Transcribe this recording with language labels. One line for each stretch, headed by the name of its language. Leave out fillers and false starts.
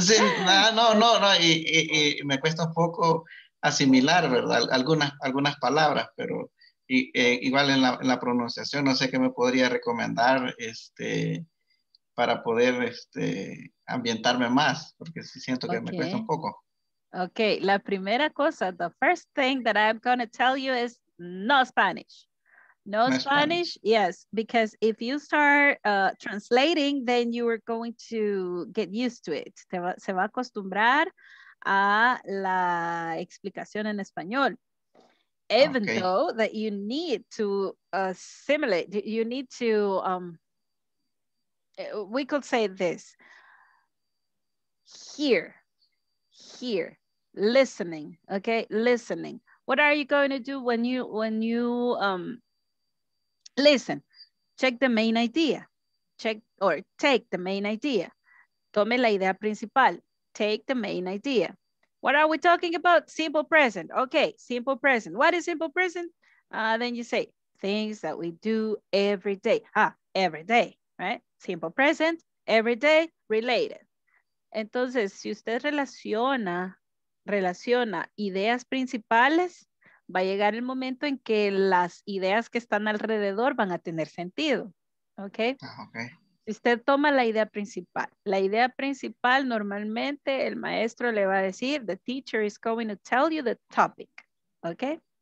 Spanish: sí, no, y me cuesta un poco asimilar, ¿verdad? Algunas palabras, pero igual en la pronunciación, no sé qué me podría recomendar para poder ambientarme más, porque sí siento que okay. Me cuesta un poco.
English: Okay,
Spanish: la primera cosa,
English: the first thing that I'm going to tell you is no Spanish. No Spanish. Spanish, yes, because if you start translating, then you are going to get used to it.
Spanish: Se va a acostumbrar a la explicación en español.
English: Even okay. Though that you need to assimilate, you need to, we could say this, hear, listening, okay, listening. What are you going to do when you listen? Check the main idea, take the main idea.
Spanish: Tome la idea principal,
English: take the main idea. What are we talking about? Simple present. Okay, simple present. What is simple present? Then you say things that we do every day. Ah, every day, right? Simple present, every day, related.
Spanish: Entonces, si usted relaciona ideas principales, va a llegar el momento en que las ideas que están alrededor van a tener sentido.
English: Okay. Okay.
Spanish: Usted toma la idea principal. La idea principal, normalmente el maestro le va a decir,
English: the teacher is going to tell you the topic.
Spanish: Okay?